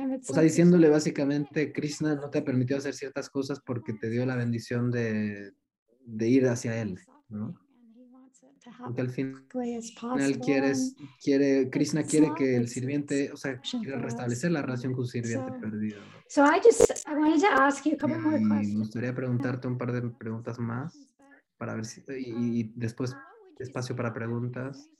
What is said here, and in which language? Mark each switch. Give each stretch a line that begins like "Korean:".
Spanish: O sea, diciéndole básicamente, Krishna no te ha permitido hacer ciertas cosas porque te dio la bendición de ir hacia él, ¿no? Porque al final Krishna quiere que el sirviente, o sea, quiere restablecer la relación con su sirviente perdido.
English: So I wanted to ask you a couple more questions.
Spanish: Y me gustaría preguntarte un par de preguntas más para ver si, y después espacio para preguntas.